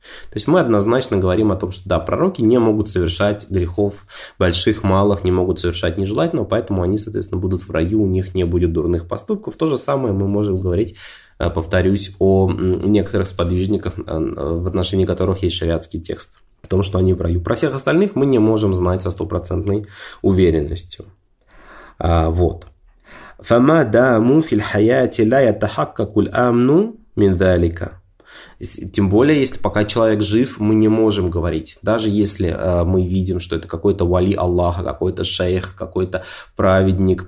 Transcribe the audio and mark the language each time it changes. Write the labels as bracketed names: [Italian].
[Russian] То есть мы однозначно говорим о том, что да, пророки не могут совершать грехов больших, малых, не могут совершать нежелательного, поэтому они, соответственно, будут в раю, у них не будет дурных поступков. То же самое мы можем говорить, повторюсь, о некоторых сподвижниках, в отношении которых есть шариатский текст, о том, что они в раю. Про всех остальных мы не можем знать со стопроцентной уверенностью. Вот. [Arabic] فما داموا في الحياة لا يتحقق الأمن من ذلك. [Russian] Тем более, если пока человек жив, мы не можем говорить. Даже если мы видим, что это какой-то вали Аллаха, какой-то шейх, какой-то праведник.